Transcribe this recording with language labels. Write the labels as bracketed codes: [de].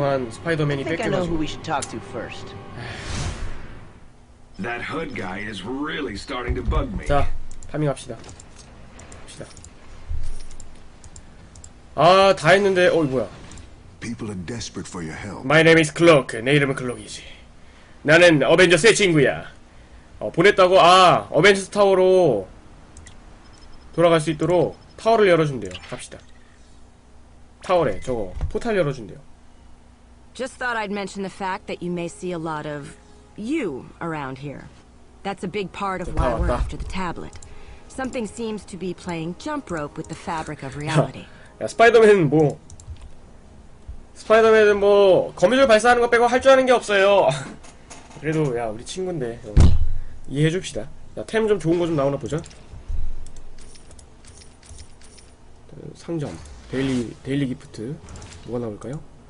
[en] I think I know who we should talk to first. That Hood guy is really starting to bug me. [ko] 자, 파밍합시다. 합시다. 아, 다 했는데, 어이 뭐야? [en] People are desperate for your help. My name is Cloak. 내 이름은 클록이지. [ko] 나는 어벤져스의 친구야. 보냈다고 아 어벤져스 타워로 돌아갈 수 있도록 타워를 열어준대요. 갑시다. 타워래 저거 포탈 열어준대요. [en] Just thought I'd mention the fact that you may see a lot of you around here. That's a big part of why we're after the tablet. Something seems to be playing jump rope with the fabric of reality. [ko] 야 스파이더맨 뭐 스파이더맨은 뭐 거미줄 발사하는 거 빼고 할 줄 아는 게 없어요. 그래도 야 우리 친구인데 이해해줍시다. 야 템 좀 좋은 거 좀 나오나 보자. 상점 데일리 기프트 뭐가 나올까요?